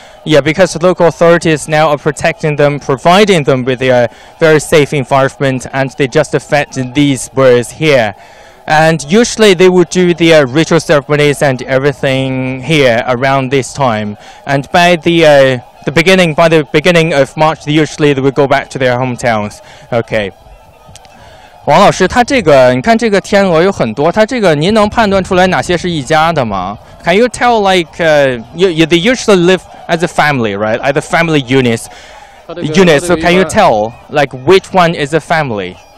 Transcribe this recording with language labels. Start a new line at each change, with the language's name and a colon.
English: Yeah, because the local authorities now are protecting them, providing them with their very safe environment, and they just fed these birds here. And usually they would do their ritual ceremonies and everything here around this time. And by the beginning of March, usually they would go back to their hometowns. Okay.
Chinese: 王老师，他这个你看这个天鹅有很多，他这个您能判断出来哪些是一家的吗？
English: Can you tell like they usually live as a family, right? As a family unit. So can you tell like which one is a family?